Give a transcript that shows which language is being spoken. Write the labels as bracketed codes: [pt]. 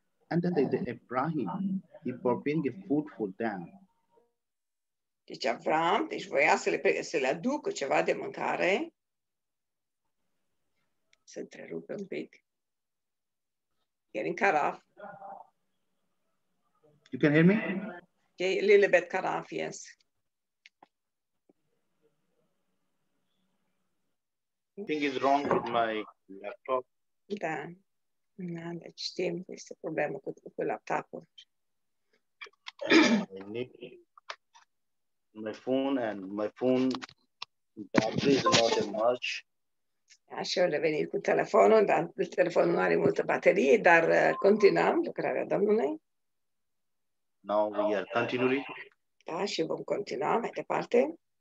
[en] And then the Abraham, he prepared the food for them. [ro] Deci Avram, deci voia să le aducă ceva de mâncare. Se întrerupe un pic. [en] Getting cut off. You can hear me? Okay, a little bit cut off, yes. Something is wrong with my laptop. [ro] Da. Da, deci știm, este problemă cu laptopul. [en] I need my phone and my phone battery is not that much. [ro] Așa, o revenit cu telefonul, dar telefonul nu are multă baterie, dar continuăm lucrarea Domnului. [en] Now we are continuing. [ro] Da, și vom continua mai departe.